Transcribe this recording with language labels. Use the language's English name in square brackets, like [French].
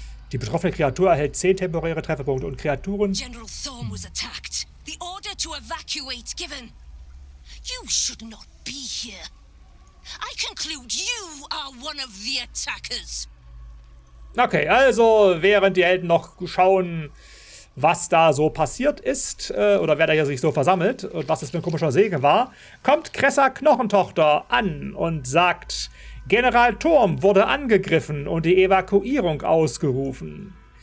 [German] Die betroffene Kreatur erhält 10 temporäre Trefferpunkte und Kreaturen. [English] General Thorn was attacked. The order to evacuate given. You should not be here. I conclude you are one of the attackers. [German] Okay, also während die Helden noch schauen, was da so passiert ist, oder wer da hier sich so versammelt und was das für ein komischer Segen war, kommt Kressa Knochentochter an und sagt. General Thorm wurde angegriffen und die Evakuierung ausgerufen.